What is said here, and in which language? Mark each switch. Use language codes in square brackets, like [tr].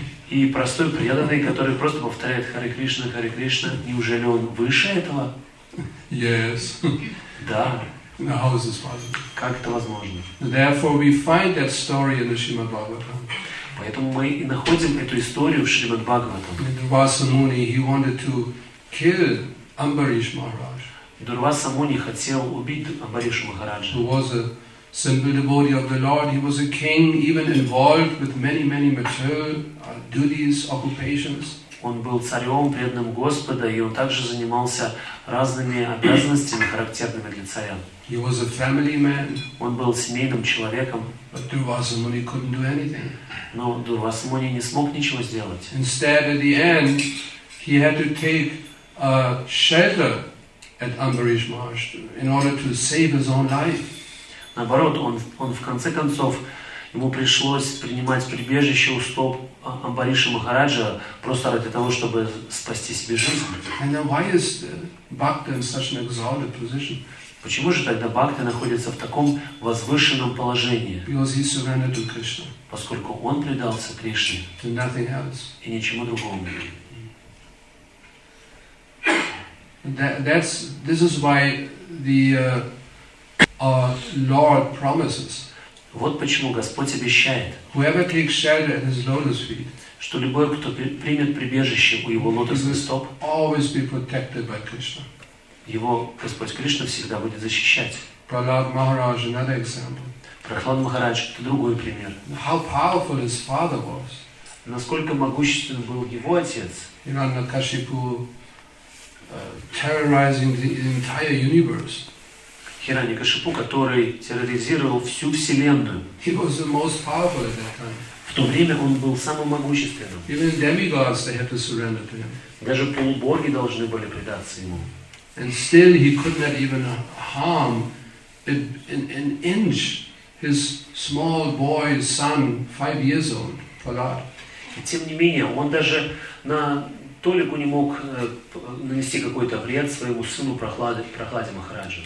[ru] И простой преданный, который просто повторяет Харе Кришна, Харе Кришна, неужели он выше этого? [en] Yes. [ru] Да. [en] Now, how is this possible? [ru] Как это возможно? [en] Therefore, we find that story in the Shrimad Bhagavatam. [ru] Поэтому мы и находим эту историю в Шримад Бхагаватам. [en] Дурваса Муни, he wanted to kill Амбариш Махарадж. [ru] Дурваса Муни хотел убить Амбариш Махараджа. [en] He was a simple devotee of the Lord. He was a king, even involved with many, many material duties, occupations. [ru] Он был царем, преданным Господа, и он также занимался разными обязанностями, характерными для царя. [en] He was a family man. [ru] Он был семейным человеком. [en] But Дурваса Муни couldn't do anything. [ru] Но Дурваса Муни не смог ничего сделать. [en] Instead, at the end, he had to take a shelter at Amrish Marsh in order to save his own life. [ru] Наоборот, он в конце концов ему пришлось принимать прибежище у стоп Амбариша Махараджа просто ради того, чтобы спасти себе жизнь. [en] And then why is the bhakta in such an exalted position? [ru] Почему же тогда бхакта находится в таком возвышенном положении? [en] Because he surrendered to Krishna. [ru] Поскольку он предался Кришне. [en] To nothing else. [ru] И ничему другому. [en] This is why the Lord promises. [ru] Вот почему Господь обещает. [en] Whoever takes shelter at His lotus feet, [ru] что любой, кто примет прибежище у Его лотосных стоп, [en] always be protected by Krishna. [ru] Его Господь Кришна всегда будет защищать. [en] Prahlad Maharaj, another example. [ru] Prahlad Maharaj, это другой пример. [en] How powerful his father was. [ru] Насколько могущественным был его отец. [en] Hiranyakashipu terrorizing the entire universe. [ru] Хираньякашипу, который терроризировал всю вселенную. [en] He was the most powerful at that time. [ru] В то время он был самым могущественным. [en] Even demigods, they had to surrender to him. [ru] Даже полубоги должны были предаться ему. [en] And still he could not even harm an inch his small boy son, 5 years old, Prahlad. [ru] И тем не менее, он даже на толику не мог нанести какой-то вред своему сыну Прохладе Махараджу.